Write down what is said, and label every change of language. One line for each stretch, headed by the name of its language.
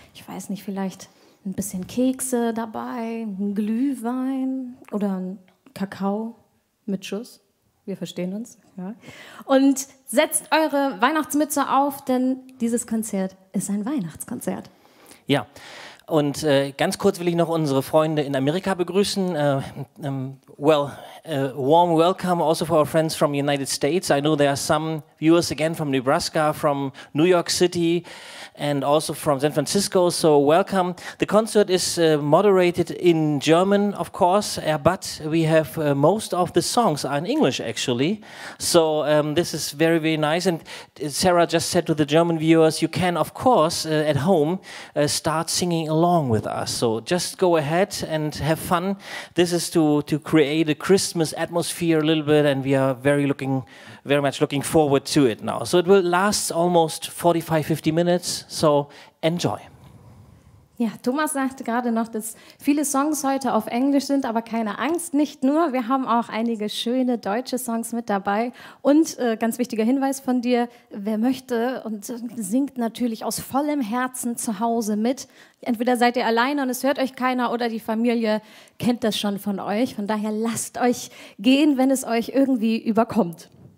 German: Ich weiß nicht, vielleicht ein bisschen Kekse dabei, ein Glühwein oder ein Kakao mit Schuss. Wir verstehen uns. Ja. Und setzt eure Weihnachtsmütze auf, denn dieses Konzert ist ein Weihnachtskonzert. Ja, und ganz kurz will ich noch unsere Freunde in Amerika begrüßen.
English: Warm welcome also for our friends from the United States. I know there are some viewers again from Nebraska, from New York City and also from San Francisco. So welcome. The concert is moderated in German, of course, but we have most of the songs are in English, actually. So this is very, very nice. And Sarah just said to the German viewers, you can, of course, at home, start singing along with us. So just go ahead and have fun. This is to create a Christmas atmosphere a little bit, and we are very much looking forward to it now. So it will last almost 45-50 minutes, so enjoy.
German: Ja, Thomas sagte gerade noch, dass viele Songs heute auf Englisch sind, aber keine Angst, nicht nur, wir haben auch einige schöne deutsche Songs mit dabei und ganz wichtiger Hinweis von dir, wer möchte und singt natürlich aus vollem Herzen zu Hause mit, entweder seid ihr alleine und es hört euch keiner oder die Familie kennt das schon von euch, von daher lasst euch gehen, wenn es euch irgendwie überkommt.